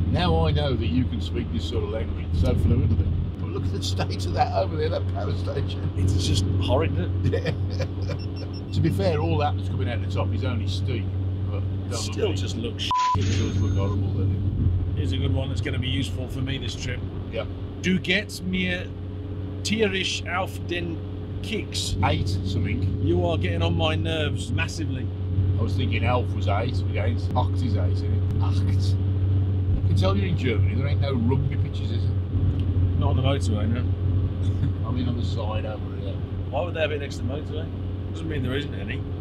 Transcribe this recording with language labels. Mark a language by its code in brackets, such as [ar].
[en] Now I know that you can speak this sort of language so fluently. Look at the state of that over there, that power station. It's just horrid, isn't it? Yeah. To be fair, all that that's coming out the top is only steam. But still look just looks it does look horrible, doesn't it? Here's a good one that's going to be useful for me this trip. Yeah. [de] Du gehst mir tierisch auf den Kicks. [en] Eight something. You are getting on my nerves massively. I was thinking elf was eight, but eight. Acht is eight, isn't it? Acht. I can tell you're in Germany, there ain't no rugby pitches, is there? Not on the motorway, no. I mean on the side over here. Why would they have it next to the motorway? Doesn't mean there isn't any.